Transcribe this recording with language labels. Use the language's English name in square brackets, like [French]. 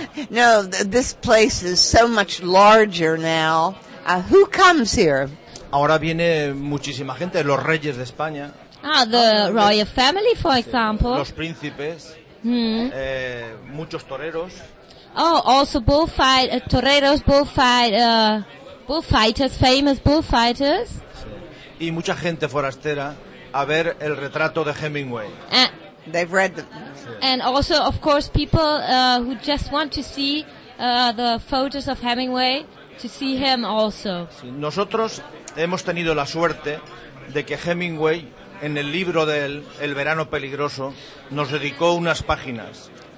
[English] No, this place is so much larger now. Who comes here? [Spanish] Ahora viene muchísima gente, los reyes de España. [English] Ah, the royal family, for example. [Spanish] Los príncipes. Muchos toreros. [English] Oh, also bullfighters, famous bullfighters. [Spanish] Y mucha gente forastera a ver el retrato de Hemingway. [English] They've read the... And also, of course, people who just want to see the photos of Hemingway, to see him also. [Spanish] Nosotros hemos tenido la suerte de que Hemingway, en el libro de él, El verano peligroso, nos dedicó unas páginas.